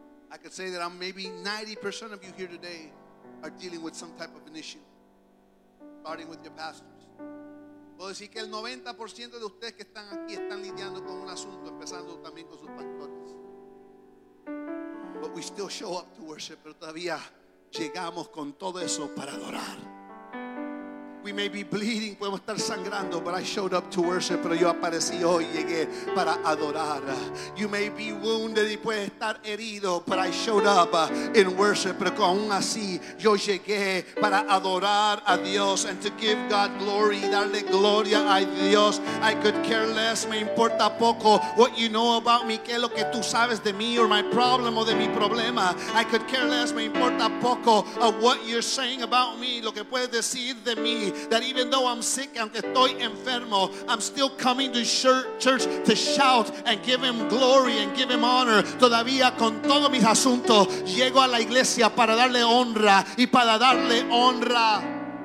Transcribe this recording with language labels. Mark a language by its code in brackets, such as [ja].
[en] I could say that I'm maybe 90% of you here today are dealing with some type of an issue. Starting with your pastors. [es] Puedo decir que el 90% de ustedes que están aquí están lidiando con un asunto, empezando también con sus pastores. [en] But we still show up to worship, [es] pero todavía llegamos con todo eso para adorar. [en] We may be bleeding, [es] podemos estar sangrando, [en] but I showed up to worship, [es] pero yo aparecí hoy, llegué para adorar. [en] You may be wounded [es] y puedes estar herido, [en] but I showed up in worship, [es] pero aún así yo llegué para adorar a Dios, [en] and to give God glory, [es] darle gloria a Dios. [en] I could care less, [es] me importa poco [en] what you know about me, [es] que lo que tú sabes de mí, [en] or my problem, [es] o de mi problema. [en] I could care less, [es] me importa poco [en] of what you're saying about me, [es] lo que puedes decir de mí. [en] That even though I'm sick, [es] aunque estoy enfermo, [en] I'm still coming to church to shout and give him glory and give him honor. [es] Todavía con todos mis asuntos llego a la iglesia para darle honra y para darle honra.